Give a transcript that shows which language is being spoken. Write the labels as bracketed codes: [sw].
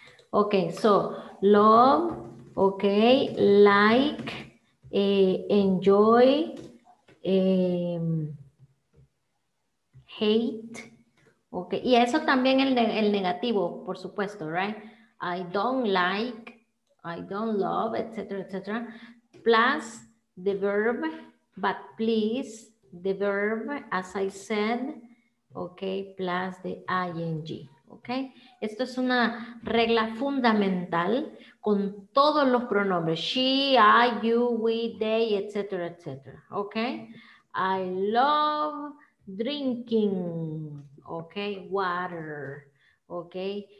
[en] Ok, so, love, ok, like, enjoy, hate, ok. [es] Y eso también el negativo, por supuesto, right? [en] I don't like, I don't love, etc., etc. Plus the verb, but please, the verb, as I said, okay, plus the ing, okay? [es] Esto es una regla fundamental con todos los pronombres. [en] She, I, you, we, they, etc., etc., okay? I love drinking, okay, water, okay?